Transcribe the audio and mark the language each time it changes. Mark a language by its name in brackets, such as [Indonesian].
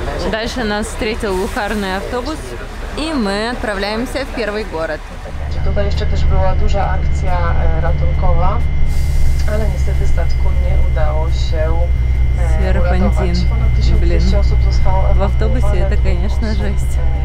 [Russian] Дальше нас встретил лухарный автобус, и мы отправляемся в первый город. [Polish] Tutaj jeszcze też była duża akcja ratunkowa, ale niestety statku nie udało się uratować. [Russian] Серпантин. Блин. В автобусе это, конечно, жесть.